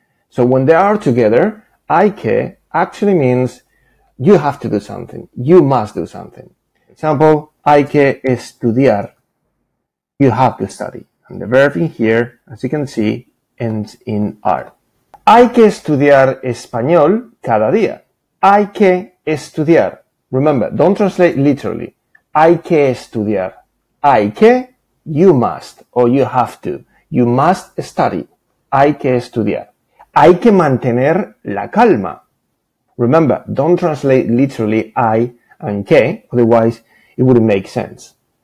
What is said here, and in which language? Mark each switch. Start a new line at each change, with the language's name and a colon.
English: So when they are together, IK actually means you have to do something. You must do something. Example,
Spanish: IK estudiar.
English: You have to study. And the verb in here, as you can see, ends in R.
Spanish: Hay que estudiar español cada día. Hay que estudiar.
English: Remember, don't translate literally.
Spanish: Hay que estudiar.
English: Hay que, you must, or you have to. You must study.
Spanish: Hay que estudiar. Hay que mantener la calma.
English: Remember, don't translate literally I and que, otherwise it wouldn't make sense.